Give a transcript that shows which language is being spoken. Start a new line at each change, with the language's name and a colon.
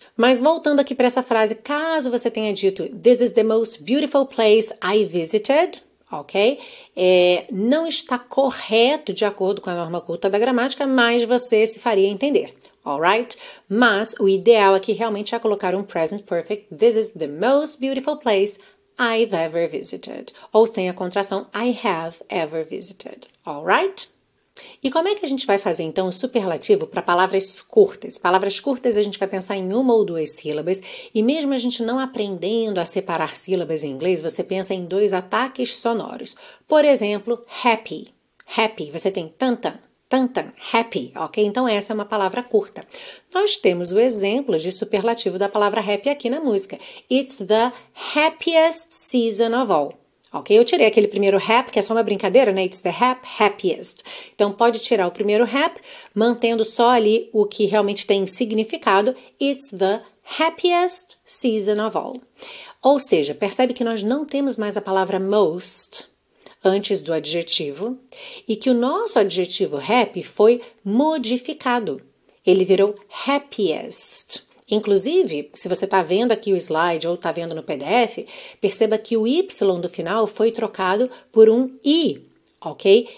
Portuguese: Mas voltando aqui para essa frase, caso você tenha dito,
English: this is the most beautiful place I visited,
Portuguese: ok? Não está correto de acordo com a norma culta da gramática, mas você se faria entender. Alright? Mas o ideal aqui realmente é colocar um present perfect.
English: This is the most beautiful place I've ever visited.
Portuguese: Ou sem a contração,
English: I have ever visited. Alright?
Portuguese: E como é que a gente vai fazer, então, o superlativo para palavras curtas? Palavras curtas a gente vai pensar em uma ou duas sílabas. E mesmo a gente não aprendendo a separar sílabas em inglês, você pensa em dois ataques sonoros. Por exemplo, happy. Happy. Você tem tantan. Tantan, happy, ok? Então essa é uma palavra curta. Nós temos o exemplo de superlativo da palavra happy aqui na música.
English: It's the happiest season of all, ok?
Portuguese: Eu tirei aquele primeiro hap, que é só uma brincadeira, né?
English: It's the happiest.
Portuguese: Então pode tirar o primeiro hap, mantendo só ali o que realmente tem significado.
English: It's the happiest season of all.
Portuguese: Ou seja, percebe que nós não temos mais a palavra most antes do adjetivo, e que o nosso adjetivo happy foi modificado. Ele virou happiest. Inclusive, se você está vendo aqui o slide ou está vendo no PDF, perceba que o Y do final foi trocado por um I, ok?